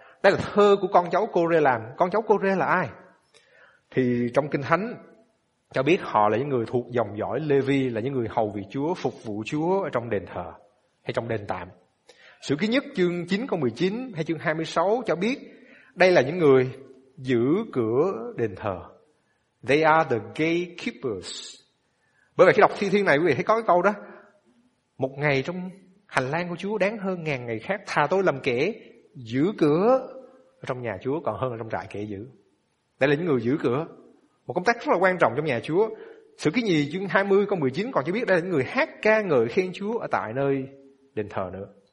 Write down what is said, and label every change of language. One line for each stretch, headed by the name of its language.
Vietnamese: Đây là thơ của con cháu Cô-rê làm. Con cháu Cô-rê là ai? Thì trong kinh thánh cho biết họ là những người thuộc dòng dõi Lê-vi, là những người hầu vị Chúa, phục vụ Chúa ở trong đền thờ hay trong đền tạm. Sử ký nhất chương 9 câu 19 hay chương 26 cho biết đây là những người giữ cửa đền thờ.
English: They are the gatekeepers.
Vietnamese: Bởi vậy khi đọc Thi Thiên này, quý vị thấy có cái câu đó: một ngày trong hành lang của Chúa đáng hơn ngàn ngày khác, thà tôi làm kẻ giữ cửa ở trong nhà Chúa còn hơn ở trong trại kẻ giữ. Đây là những người giữ cửa, một công tác rất là quan trọng trong nhà Chúa. Sử ký nhì chương 20 câu 19 còn cho biết đây là những người hát ca ngợi khen Chúa ở tại nơi đền thờ nữa.